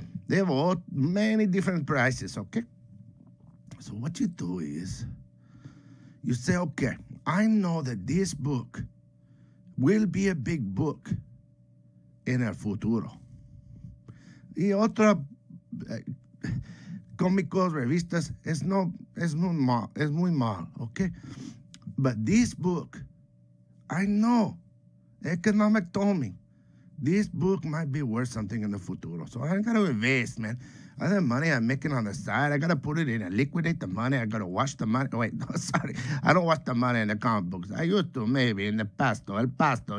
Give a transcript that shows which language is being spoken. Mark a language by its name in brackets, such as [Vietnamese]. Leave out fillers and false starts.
[English] They have all many different prices, okay? So what you do is you say, okay, I know that this book will be a big book in [Spanish] el futuro. Y otra cómicos, revistas, es muy mal, okay? [English] But this book, I know, economic told me, this book might be worth something in the futuro. So I gotta invest, man. I have money I'm making on the side. I gotta put it in and liquidate the money. I gotta wash the money. Wait, no, sorry. I don't wash the money in the comic books. I used to, maybe, in the past, [Spanish] el pasto.